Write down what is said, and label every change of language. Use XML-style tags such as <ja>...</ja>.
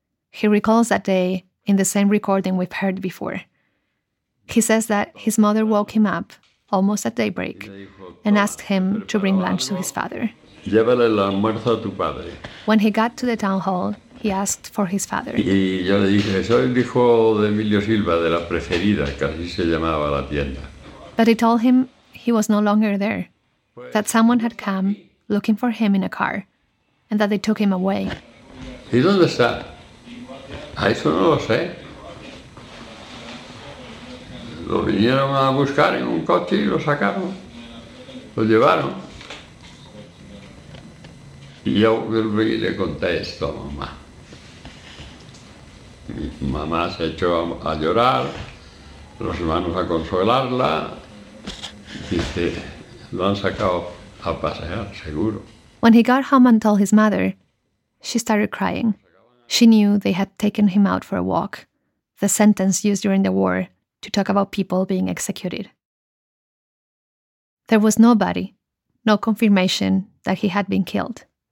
<en>He recalls that day in the same recording we've heard before. He says that his mother woke him up almost at daybreak, and asked him to bring lunch to his father.</en> <es>Llévale el almuerzo a tu padre.</es> <en>When he got to the town hall, he asked for his father.</en> <es>Y yo le dije, soy el hijo de Emilio Silva, de La Preferida, que así se llamaba la tienda.</es> <en>But he told him he was no longer there, that someone had come looking for him in a car, and that they took him away.</en> <es>¿Y dónde está? A eso no lo sé. Lo vinieron a buscar en un coche y lo sacaron. Lo llevaron. Y yo volví y le conté esto a mamá. Mi mamá se echó a llorar, los hermanos a consolarla. Dice, lo han sacado a pasear, seguro.</es> <en>When he got home and told his mother, she started crying. She knew they had taken him out for a walk, the sentence used during the war to talk about people being executed. There was nobody, no confirmation that he had been killed.</en>